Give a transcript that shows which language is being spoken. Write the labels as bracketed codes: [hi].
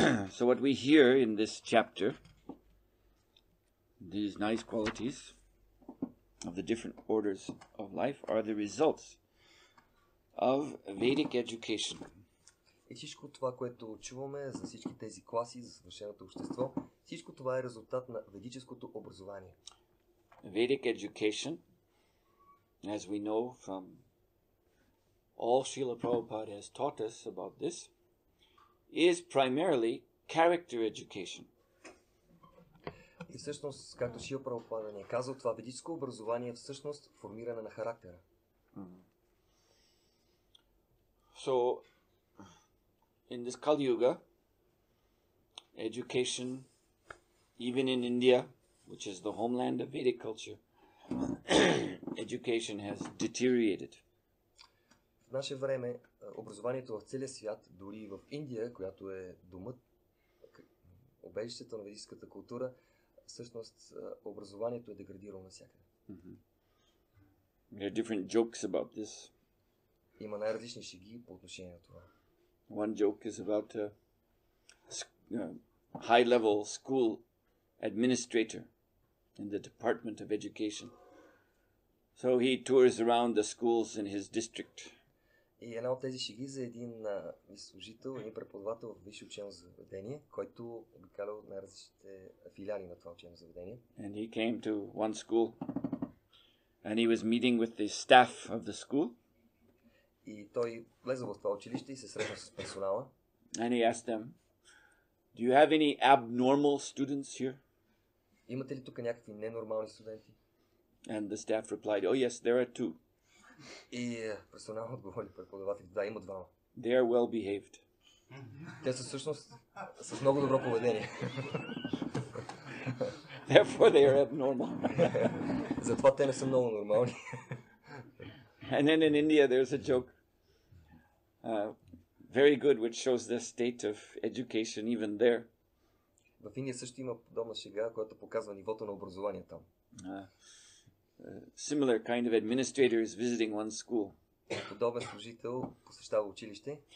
[en] So what we hear in this chapter, these nice qualities of the different orders of life are the results of Vedic education. [bg] И всичко това, което чуваме за всички тези класи, за съвършеното общество, всичко това е резултат на ведическото образование. [en] Vedic education, as we know from all Srila Prabhupada has taught us about this, is primarily character education. [bg] И всъщност, както Шрила Прабхупада ни е казал, това ведическо образование е всъщност формиране на характера. [en] So, in this Kali Yuga, education, even in India, which is the homeland of Vedic culture, education has deteriorated. [bg] В наше време образованието в целия свят, дори и в Индия, която е домът, обежището на ведическата култура, всъщност образованието е деградирало навсякъде. [en] Mm-hmm. There are different jokes about this. [bg] Има най-различни шеги по отношение на това. [en] One joke is about a high-level school administrator in the Department of Education. So he tours around the schools in his district. [bg] И една от тези шеги за един служител, един преподавател в висше учебно заведение, който обикалял най-различните филиали на това учебно заведение. [en] And he came to one school and he was meeting with the staff of the school. [bg] И той влезе в това училище и се срещна с персонала. [en] And he asked them, "Do you have any abnormal students here?" [bg] Имате ли тук някакви ненормални студенти? [en] And the staff replied, "Oh yes, there are two." [bg] И персонал отговори преподавателите, да, има двама. [en] They are well behaved. [bg] Те са всъщност с много добро поведение. [en] Therefore they are abnormal. [bg] Затова те не са много нормални. [en] And then in India there's a joke, very good, which shows the state of education even there. [bg] В Индия също има подобна шега, която показва нивото на образование там. [en] Similar kind of administrator is visiting one school. [bg] Подобен служител посещава училище.